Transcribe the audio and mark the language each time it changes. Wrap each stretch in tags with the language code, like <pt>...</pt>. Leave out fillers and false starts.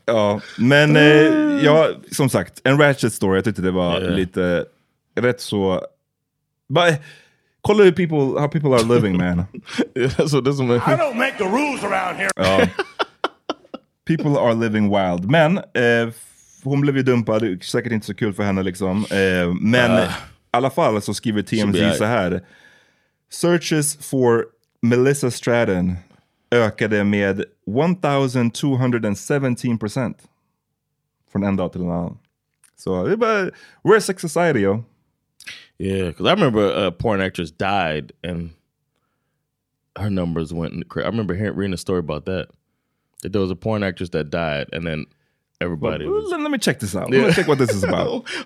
<sv>Ja, men som sagt, en ratchet story. Jag tyckte det var lite rätt så...</sv> <en>But call it how people are living, man. That's what this one. I don't make the rules around here. People are living wild.</en> <sv>Men hon blev ju dumpad. Säkert inte så kul för henne liksom. Men i alla fall så skriver TMZ så här.</sv> <en>Searches for</en> <sv>Melissa Stratton ökade med 1,217% från en dag till en annan.</sv> <en>So but we're a sick society, yo. Yeah, because I remember a porn actress died and her numbers went crazy. I remember reading a story about that. That there was a porn actress that died and then everybody... Well, was, let me check this out. Yeah. Let me check what this is about.</en>